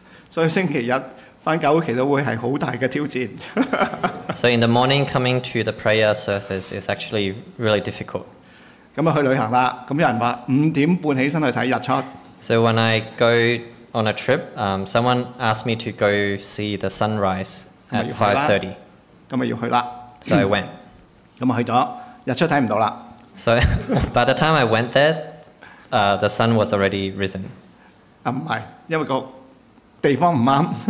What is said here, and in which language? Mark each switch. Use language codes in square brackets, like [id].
[yue] 所以星期日翻教會祈禱會是很大的挑戰。 [en] So in the morning coming to the prayer service is actually really difficult. [yue] 咁啊去旅行啦，咁有人話五點半起身去睇日出。 [en] So when I go on a trip, someone asked me to go see the sunrise at 5:30. [yue] 咁啊要去啦。 [en] So I went. [yue] 咁啊去咗，日出睇唔到啦。 [en] So by the time I went there, the sun was already risen. [yue] 啊唔係，因為個地方唔啱。